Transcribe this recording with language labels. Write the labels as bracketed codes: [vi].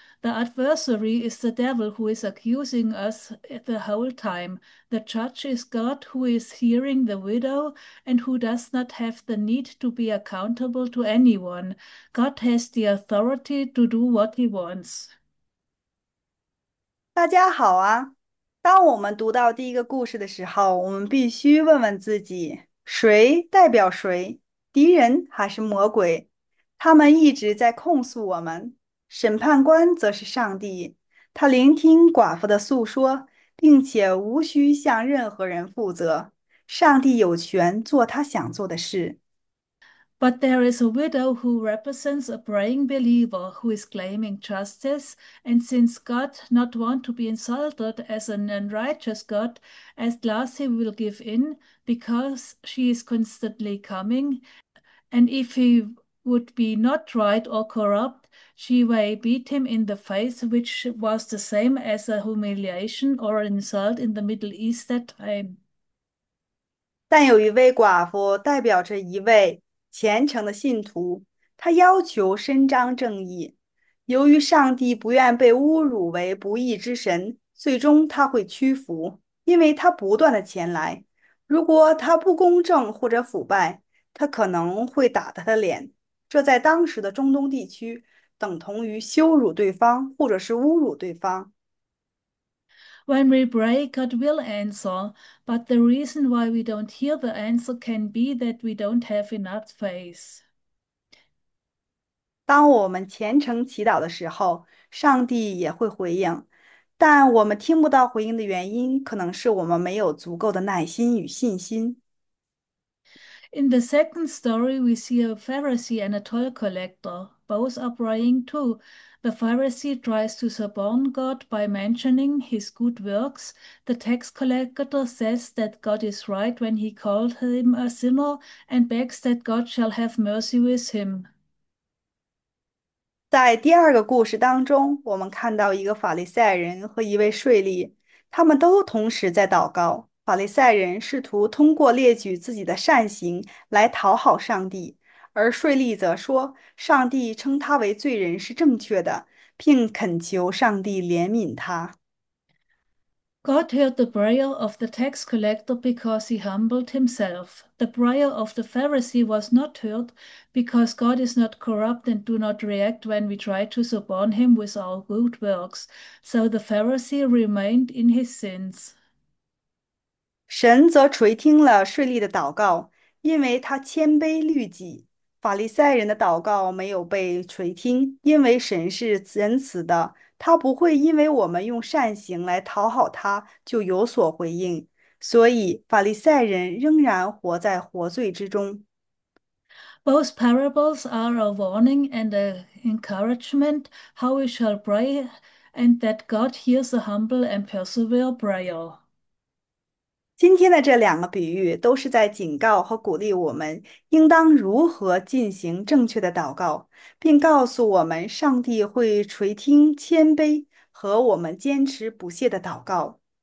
[en] The adversary is the devil who is accusing us the whole time. The judge is God who is hearing the widow and who does not have the need to be accountable to anyone. God has the authority to do what he wants. [zh] 大家好啊！当我们读到第一个故事的时候，我们必须问问自己：谁代表谁？敌人还是魔鬼？他们一直在控诉我们，审判官则是上帝，他聆听寡妇的诉说，并且无需向任何人负责。上帝有权做他想做的事。 [en] But there is a widow who represents a praying believer who is claiming justice, and since God not want to be insulted as an unrighteous God, at last he will give in because she is constantly coming, and if he would be not right or corrupt, she may beat him in the face, which was the same as a humiliation or an insult in the Middle East that time. [zh] 但有一位寡妇代表着一位虔诚的信徒，她要求伸张正义。由于上帝不愿被侮辱为不义之神，最终她会屈服，因为她不断的前来。如果她不公正或者腐败，她可能会打她的脸。这在当时的中东地区等同于羞辱对方或者是侮辱对方。 [en] When we pray, God will answer, but the reason why we don't hear the answer can be that we don't have enough faith. [zh] 当我们虔诚祈祷的时候，上帝也会回应，但我们听不到回应的原因，可能是我们没有足够的耐心与信心。 [en] In the second story, we see a Pharisee and a toll collector. Both are praying too. The Pharisee tries to suborn God by mentioning his good works. The tax collector says that God is right when he called him a sinner and begs that God shall have mercy with him. [zh] 在第二个故事当中，我们看到一个法利赛人和一位税吏，他们都同时在祷告。法利赛人试图通过列举自己的善行来讨好上帝，而税吏则说，上帝称他为罪人是正确的，并恳求上帝怜悯他。 [en] God heard the prayer of the tax collector because he humbled himself. The prayer of the Pharisee was not heard because God is not corrupt and do not react when we try to suborn him with our good works. So the Pharisee remained in his sins. [zh] 神则垂听了税吏的祷告，因为他谦卑律己。法利赛人的祷告没有被垂听，因为神是仁慈的，他不会因为我们用善行来讨好他就有所回应。所以法利赛人仍然活在活罪之中。 [en] Both parables are a warning and an encouragement how we shall pray and that God hears a humble and persevere prayer. [zh] 今天的这两个比喻都是在警告和鼓励我们，应当如何进行正确的祷告，并告诉我们上帝会垂听谦卑和我们坚持不懈的祷告。